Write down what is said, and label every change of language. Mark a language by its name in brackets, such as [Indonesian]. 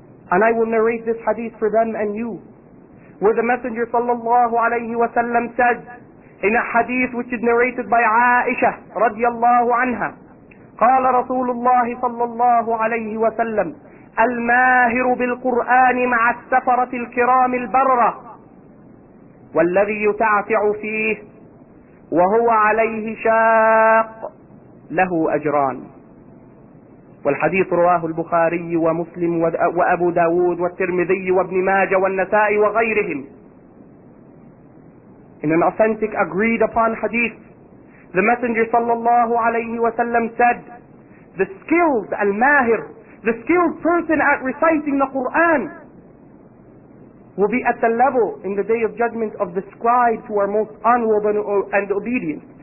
[English] And I will narrate this hadith for them and you, where the Messenger sallallahu alayhi wa sallam says, in a hadith which is narrated by Aisha radiallahu anha, [Arabic] قال رسول الله صلى الله عليه وسلم الماهر بالقرآن مع السفرة الكرام البررة والذي يتعتع فيه وهو عليه شاق له أجران. والحديث رواه البخاري ومسلم وأبو داود والترمذي وابن ماجه والنسائي وغيرهم. [English] In an authentic agreed upon hadith, the Messenger sallallahu alayhi wa sallam said, the skilled al-mahir, the skilled person at reciting the Qur'an, will be at the level in the Day of Judgment of the scribes who are most honorable and obedient.